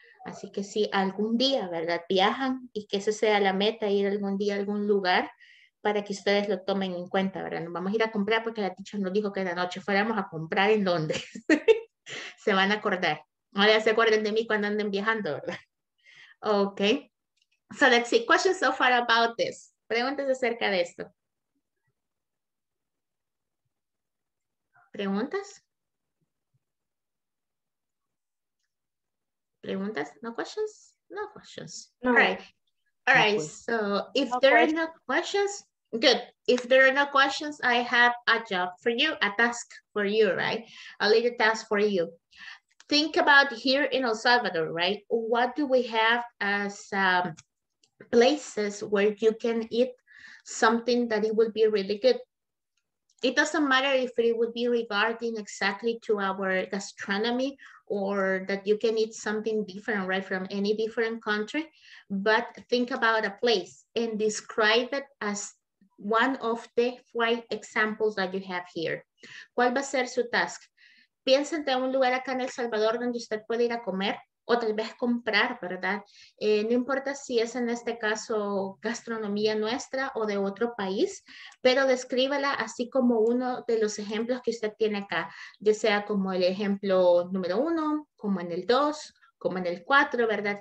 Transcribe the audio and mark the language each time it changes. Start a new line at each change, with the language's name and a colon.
Spanish: Así que si algún día, ¿verdad?, viajan y que esa sea la meta, ir algún día a algún lugar para que ustedes lo tomen en cuenta, ¿verdad? Nos vamos a ir a comprar porque la teacher nos dijo que en la noche fuéramos a comprar en Londres. Se van a acordar. Ahora se acuerden de mí cuando anden viajando, ¿verdad? Ok.
English: So let's see, questions so far about this.
Spanish: Preguntas acerca de esto. ¿Preguntas?
English: ¿Preguntas? No questions? No questions. No. All right. So if there are no questions, good. If there are no questions, I have a job for you, a task for you, right? A little task for you. Think about here in El Salvador, right? What do we have as places where you can eat something that it would be really good. It doesn't matter if it would be regarding exactly to our gastronomy or that you can eat something different, right, from any different country, but think about a place and describe it as one of the five examples that you have here.
Spanish: ¿Cuál va a ser su task? Piensen de un lugar acá en El Salvador donde usted puede ir a comer. O tal vez comprar, ¿verdad? No importa si es en este caso gastronomía nuestra o de otro país, pero descríbala así como uno de los ejemplos que usted tiene acá, ya sea como el ejemplo número uno, como en el dos, como en el cuatro, ¿verdad?